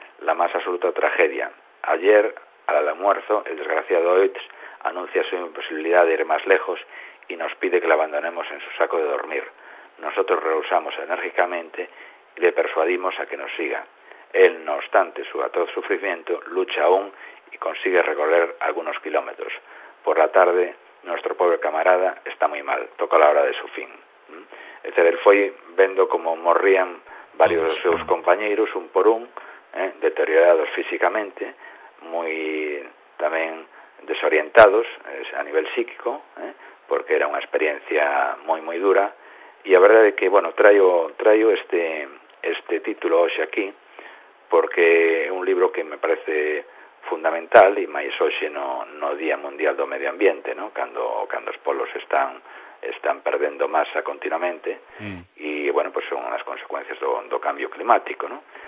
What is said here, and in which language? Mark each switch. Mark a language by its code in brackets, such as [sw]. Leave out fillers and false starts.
[es] La más absoluta tragedia. Ayer, al almuerzo, el desgraciado Oetz anuncia su imposibilidad de ir más lejos y nos pide que la abandonemos en su saco de dormir. Nosotros rehusamos enérgicamente y le persuadimos a que nos siga. Él, no obstante su atroz sufrimiento, lucha aún y consigue recorrer algunos kilómetros. Por la tarde, nuestro pobre camarada está muy mal, toca la hora de su fin. [gl] Él foi vendo como morrían varios dos seus compañeros un por un, deteriorados físicamente, moi tamén desorientados a nivel psíquico, porque era unha experiencia moi moi dura, e a verdade é que, bueno, traio este título hoxe aquí porque é un libro que me parece fundamental, e máis hoxe no Día Mundial do Medio Ambiente, ¿no? Cando os polos están perdendo masa continuamente, e, bueno, pues son as consecuencias do cambio climático, ¿no?